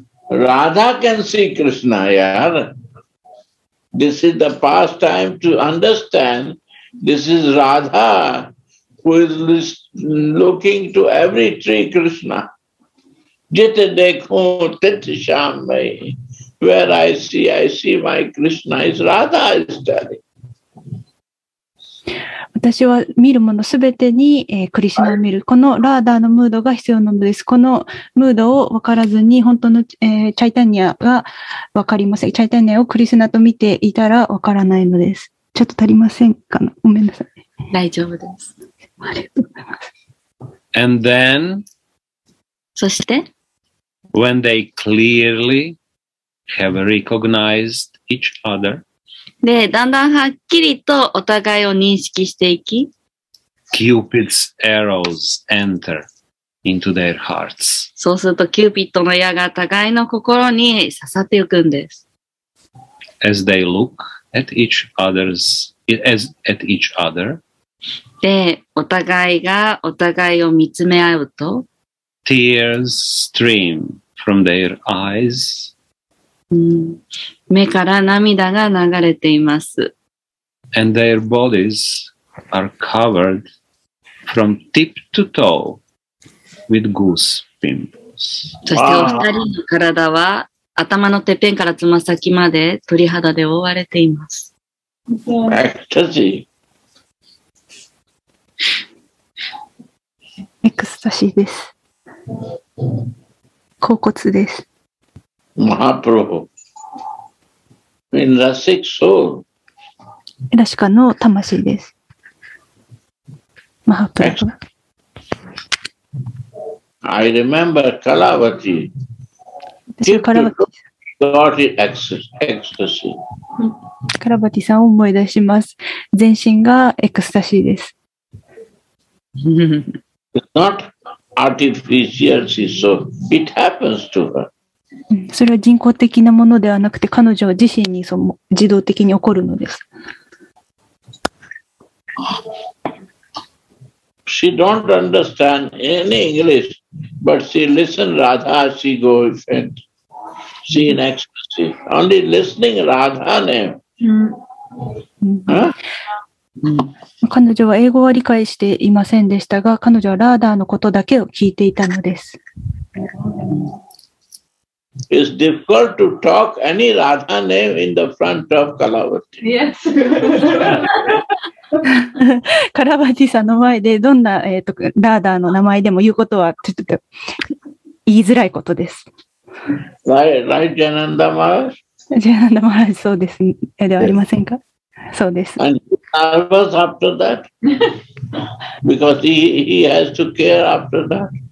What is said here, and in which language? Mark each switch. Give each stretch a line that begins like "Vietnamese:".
English: Radha can see Krishna, yaar. This is the past time to understand. This is Radha. Who is looking to every tree, Krishna?
Bangla: Jete dekho, tete shyam mai.
English: Where I see my Krishna is Radha is telling.
Japanese: 私は見るものすべてに、クリシナを見る。このラーダーのムードが必要なのです。このムードを分からずに、本当の、チャイタニアが分かりません。チャイタニアをクリシナと見ていたら分からないのです。ちょっと足りませんか? ごめんなさい。大丈夫です。
English: And then,
Japanese: そして?
English: when they clearly have recognized each other,
Japanese: で、だんだんはっきりとお互いを認識していき、
English: Cupid's arrows enter into their hearts.
Japanese: そうすると、キューピッドの矢が互いの心に刺さっていくんです。
English: As they look at each other's, as at each other,
Japanese: で、お互いがお互いを見つめ合うと、
English: Tears stream from their eyes.
Japanese: 目から涙が流れています。
English: And their bodies are covered from tip to toe with goose pimples.
Japanese: そしてお二人の体は、頭のてっぺんからつま先まで鳥肌で覆われています。
English: Ecstasy.
Japanese: エクスタシーです。恍惚です。
English: マハプロフ。In the six soul.
Japanese: ラシカの魂です。マハプロフ。
English: I remember Kalavati. Kalavati. Ecstasy.
Japanese: Kalavati さんを思い出します。全身がエクスタシーです。
English: Not artificial, she saw. It happens to her.
Japanese: それは人工的なものではなくて、彼女自身にその自動的に起こるのです。
English: She don't understand any English, but she listen Radha, she go faint. She in ecstasy. Only listening Radha name,
Japanese: 彼女は英語は理解していませんでしたが、彼女はラーダーのことだけを聞いていたのです。
English: It's difficult to talk any Radha name in the front of Kalavati. Yes.
Japanese: カラバティさんの前でどんな、ラーダーの名前でも言うことはちょっと言いづらいことです。
English: Right, ジェナンダマラジ。
Japanese: ジェナンダマラジ、そうです。ではありませんか。そうです。
English: And nervous after that? Because he has to care after that.